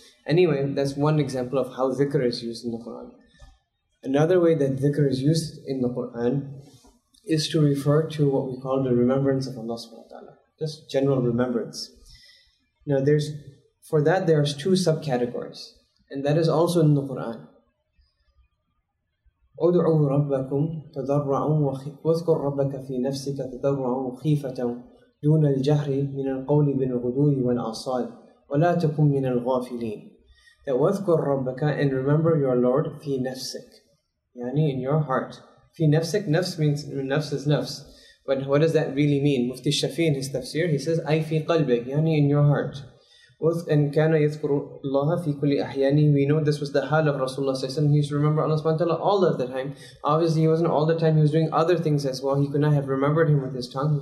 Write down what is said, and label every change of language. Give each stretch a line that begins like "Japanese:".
English: Anyway, that's one example of how dhikr is used in the Quran. Another way that dhikr is used in the Quran is to refer to what we call the remembrance of Allah subhanahu wa ta'ala. Just general remembrance. Now there's two subcategories, and that is also in the Quran.
Arabic: ادعوا ربكم تضرعا واذكر ربك في نفسك تضرعا وخيفة دون الجهر من القول بالغدو والآصال ولا تكن من الغافلين.
English: That
Arabic: واذكر ربك
English: and remember your Lord
Arabic: في نفسك. يعني
English: in your heart.
Arabic: في نفسك, نفس
English: means
Arabic: نفس is نفس.
English: But what does that really mean? Mufti Shafi in his tafsir, he says,
Arabic: أي في قلبك, يعني
English: in your heart.
Arabic: وَإِنْ كَانَ يَذْكُرُ اللَّهَ فِي كُلِّ أَحْيَانِ
English: We know this was the hal of Rasulullah Sallallahu Alaihi Wasallam. He used to remember Allah all of the time. Obviously, he wasn't all the time. He was doing other things as well. He could not have remembered him with his tongue.